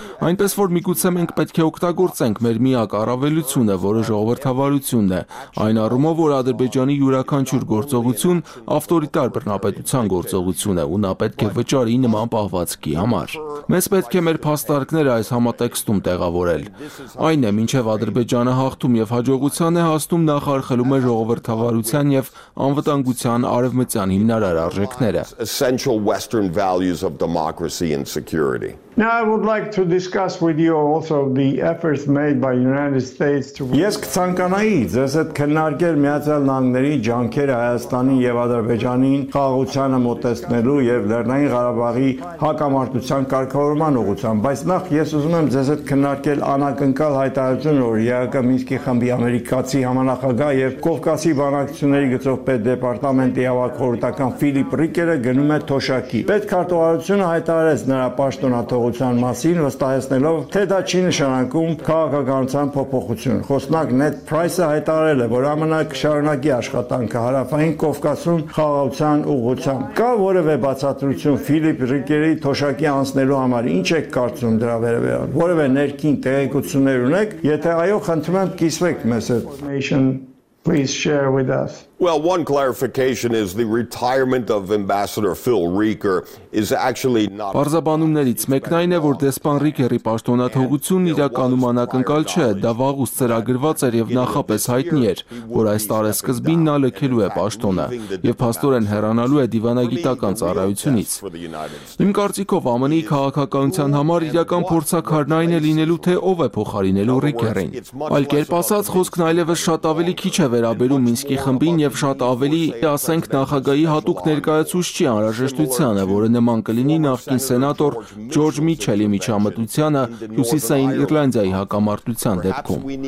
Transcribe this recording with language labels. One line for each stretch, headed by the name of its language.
Armenian: Այնպես որ միգուցե մենք պետք է օգտագործենք մեր միակ առավելությունը, որը ժողովրդավարությունն է, այն առումով, որ Ադրբեջանի յուրաքանչյուր գործողություն ավտորիտար բռնապետության գործողություն է ու նա պետք է վճարի նման պահվածքի համար։ Մենք պետք է մեր փաստարկները այս համատեքստում տեղավորել։ Այն է, մինչև Ադրբեջանը հաղթում եւ հաջողության է հասնում, նախարխելում է ժողովրդավարության եւ անվտանգության արևմտյան հիմնարար արժեքները.
English: Essential Western values of democracy and security. Now I would like to discuss with you also the efforts made by United States to
Armenian: Ես ցանկանայի ձեզ հետ քննարկել Միացյալ Նահանգների ջանքերը Հայաստանի եւ Ադրբեջանի խաղաղությանը մոտեցնելու եւ Լեռնային Ղարաբաղի հակամարտության կարգավորման ուղղությամբ, բայց նախ ես ուզում եմ ձեզ հետ քննարկել անակնկալ հայտարարությունը, որ ԵԱԿ-ի Մինսկի խմբի ամերիկացի համանախագահ եւ Կովկասի բանակցությունների գծով պետ դեպարտամենտի ավագ խորհրդական Ֆիլիպ Ռիկերը գնում է Թոշակի։ Պետ քարտուղարությունը հայտարարեց նրա պաշտոնական թողության մասին, վստահեցնելով, թե դա չի նշանակում քաղաքականության փոփոխություն։ Խոսնակ Ned Price-ը հայտարարել է, որ ԱՄՆ-ը կշարունակի աշխատանքը հարավային Կովկասում խաղաղության ուղղությամբ։ Կա որևէ բացատրություն Ֆիլիպ Ռիկերի թոշակի անցնելու համար, ինչ եք կարծում դրա վերաբերյալ։ Որևէ ներքին տեղեկություններ ունեք, եթե այո, խնդրում եմ կիսվեք մեզ հետ։
English: Please share with us. Well, one clarification is the retirement of Ambassador Phil Rieker is actually not
Armenian: Բարձաբանումներից մեկն այն է, որ դեսպան Ռիկերի պաշտոնաթողությունն իրականում անակնկալ չէ, դա վաղուց ծրագրված էր եւ նախապես հայտնի էր, որ այս տարեր սկզբին նա լքելու է պաշտոնը եւ փաստորեն հեռանալու է դիվանագիտական ծառայությունից։ Իմ կարծիքով ԱՄՆ-ի քաղաքականության համար իրական փորձակարն այն է լինելու, թե ով է փոխարինելու Ռիկերին։ Այլ կերպ ասած, խոսքն այլևս շատ ավելի քիչ է վերաբերում Մինսկի խմբի և շատ ավելի, ասենք, նախագահի հատուկ ներկայացուցչի անհրաժեշտությանը, որը նման կլինի նախկին սենատոր Ջորջ Միչելի միջամտությանը Հյուսիսային Իռլանդիայի հակամարտության դեպքում։